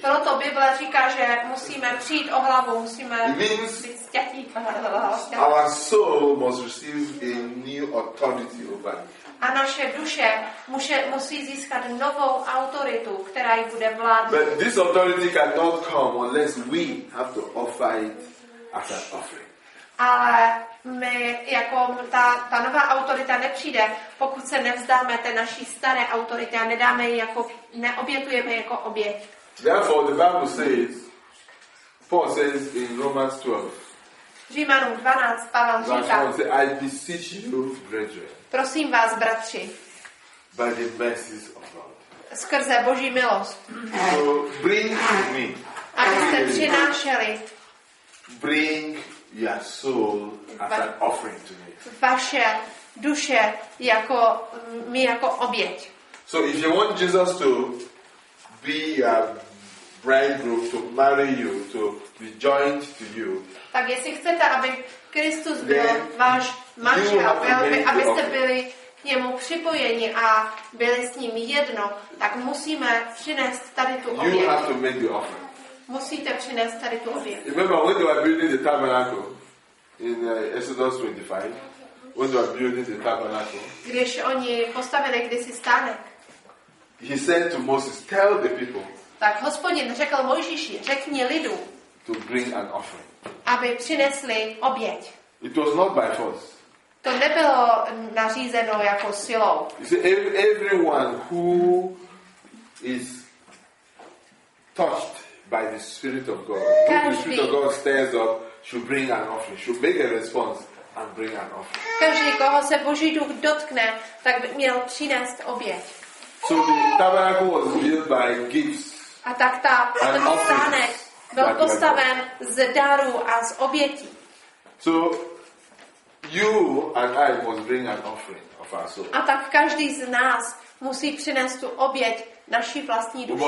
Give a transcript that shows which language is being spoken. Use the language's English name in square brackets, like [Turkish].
[Czech] Proto Bible říká, že musíme přijít o hlavu, musíme být stětí. [English] Our soul must receive a new authority over it. [Czech] A naše duše musí získat novou autoritu, která jí bude vládnout. [English] But this authority cannot come unless we have to offer it as an offering. [Czech] Ale my, jako ta nová autorita nepřijde, pokud se nevzdáme té naší staré autority a nedáme ji jako, neobětujeme jako oběť. [English] Therefore the Bible says, Paul says in Romans 12, [Czech] Římanům 12, Pavel říká, [English] says, I beseech you, brethren, [Czech] prosím vás, bratři, [English] by the mercies of God, [Czech] skrze Boží milost, [English] so bring me, [Czech] abyste přinášeli, [English] bring your soul as an offering to me. [Czech] Vaše duše jako mi jako oběť. [English] So if you want Jesus to be a bridegroom, to marry you, to be joined to you. [Czech] Tak jestli chcete, aby Kristus byl váš manžel, abyste byli k němu připojeni a byli s ním jedno, tak musíme přinést tady tu oběť. [English] You have to make the offering. [Czech] Musíte přinést tady tu oběť. [English] Remember when they were building the tabernacle in Exodus 25, when they were building the tabernacle, [Czech] když oni postavili kdysi stánek, [English] he said to Moses, tell the people, [Czech] tak Hospodin řekl Mojžíši, řekni lidu, [English] to bring an offering, [Czech] aby přinesli oběť. [English] It was not by force. [Czech] To nebylo nařízeno jako silou. [English] You see, everyone who is touched by the Spirit of God, [Czech] každý, [English] the Spirit of God stirs up, should bring an offering, should make a response and bring an offering. [Czech] Každý, koho se Boží duch dotkne, tak by měl přinést oběť. [English] So the tabernacle was built by gifts. [Czech] A tak ta stánek byl postaven z darů a z obětí. [English] So you and I must bring an offering of our soul. [Czech] A tak každý z nás musí přinést tu oběť naší vlastní duše.